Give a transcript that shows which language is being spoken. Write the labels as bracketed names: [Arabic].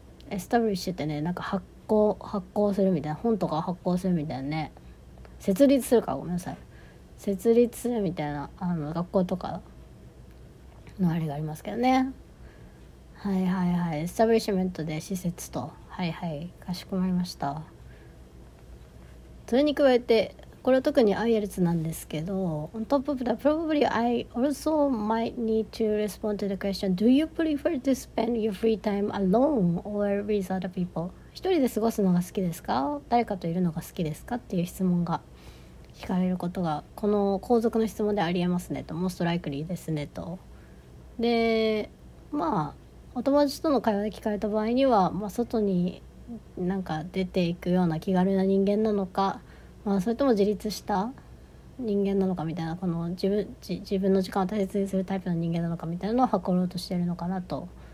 [Japanese] establish ってね、なんか発行するみたいな、本とか発行するみたいなね、設立するか、ごめんなさい、設立するみたいな、あの学校とかのあれがありますけどね。はいはいはい、エスタブリッシュメントで施設と、はいはい、かしこまりました。それに加えて、これは特に IELTS なんですけど、 [English] On top of that, probably I also might need to respond to the question, Do you prefer to spend your free time alone or with other people? [Japanese] 一人で過ごすのが好きですか、誰かといるのが好きですかっていう質問が聞かれることが、この後続の質問でありえますねと、 [English] Most likely [Japanese] ですねと。で、まあお友達との会話で聞かれた場合には、まあ、外になんか出ていくような気軽な人間なのか、まあ、それとも自立した人間なのかみたいな、この自分の時間を大切にするタイプの人間なのかみたいなのを測ろうとしているのかなと。